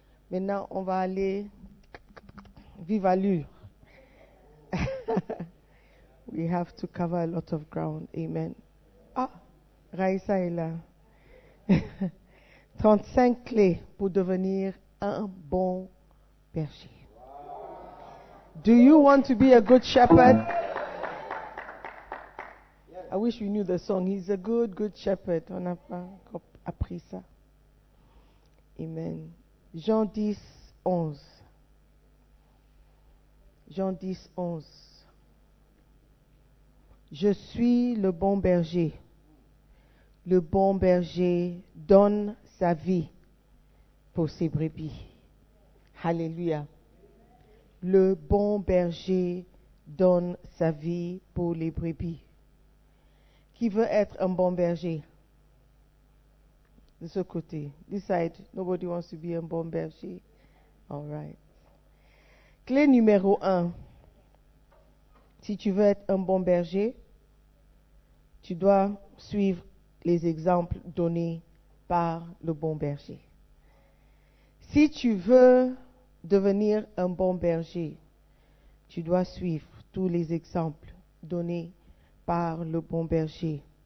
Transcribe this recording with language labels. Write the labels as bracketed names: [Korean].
[French] Maintenant, on va aller vive à l'heure. [English] We have to cover a lot of ground. Amen. [French] Ah, Raïssa est là. 35 clés pour devenir un bon berger. [English] Do you want to be a good shepherd? I wish we knew the song. He's a good, good shepherd. [French] On n'a pas appris ça. [English] Amen. [French] Jean 10, 11. Jean 10, 11. Je suis le bon berger. Le bon berger donne sa vie pour ses brebis. Alléluia. Le bon berger donne sa vie pour les brebis. Qui veut être un bon berger? De ce côté. [English] This side, nobody wants to be a [French] bon berger. [English] All right. Clé numéro un. [French] Si tu veux être un bon berger, tu dois suivre les exemples donnés par le bon berger. Si tu veux devenir un bon berger, tu dois suivre tous les exemples donnés par le bon berger.